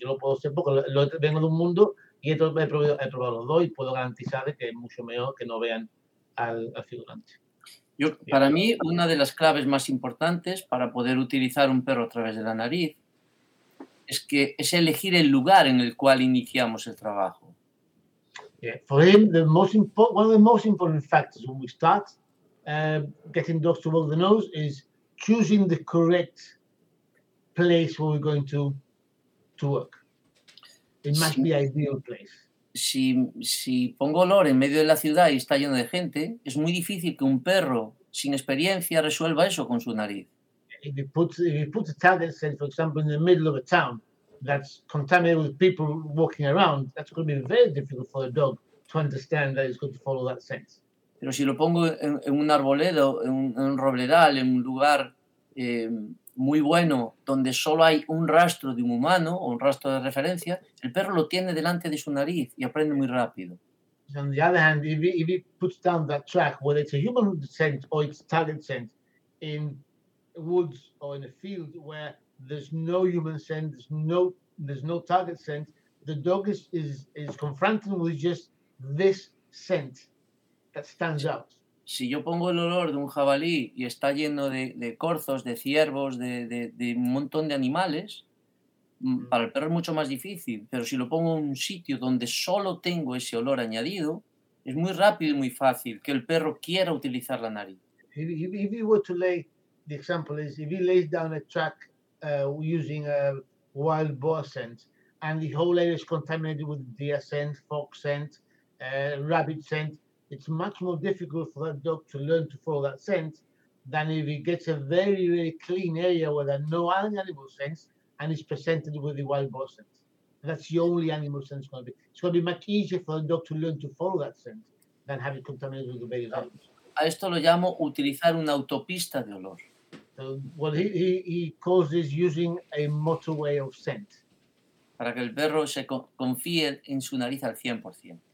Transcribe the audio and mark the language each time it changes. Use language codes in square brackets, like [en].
[es] Yo lo puedo hacer porque vengo de un mundo y entonces he probado los dos y puedo garantizar que es mucho mejor que no vean al figurante. Para mí, una de las claves más importantes para poder utilizar un perro a través de la nariz es elegir el lugar en el cual iniciamos el trabajo. [en] Yeah. For him, one of the most important factors when we start getting dogs to work the nose is choosing the correct place where we're going to work. It must be ideal place. [es] Si pongo olor en medio de la ciudad y está lleno de gente, es muy difícil que un perro sin experiencia resuelva eso con su nariz. [en] If you put a target, say, for example, in the middle of a town that's contaminated with people walking around, that's going to be very difficult for a dog to understand that it's going to follow that scent. [es] Pero si lo pongo en un arboledo, en un robledal, en un lugar muy bueno, donde solo hay un rastro de un humano o un rastro de referencia, el perro lo tiene delante de su nariz y aprende muy rápido. [en] On the other hand, if he puts down that track, whether it's a human scent or it's target scent, in woods or in a field where there's no human scent, there's no target scent, the dog is confronted with just this scent that stands out. [es] Si yo pongo el olor de un jabalí y está lleno de corzos, de ciervos, de un montón de animales, para el perro es mucho más difícil. Pero si lo pongo en un sitio donde solo tengo ese olor añadido, es muy rápido y muy fácil que el perro quiera utilizar la nariz. [en] If you were to lay, the example is, if he lays down a track using a wild boar scent, and the whole area is contaminated with deer scent, fox scent, rabbit scent, it's much more difficult for that dog to learn to follow that scent than if he gets a very, very clean area where there are no other animal scents and is presented with the wild boar scent. That's the only animal scent it's going to be. It's going to be much easier for the dog to learn to follow that scent than have it contaminated with the various animals. [es] A esto lo llamo utilizar una autopista de olor. [en] He calls this using a motorway of scent. [es] Para que el perro se confíe en su nariz al 100%.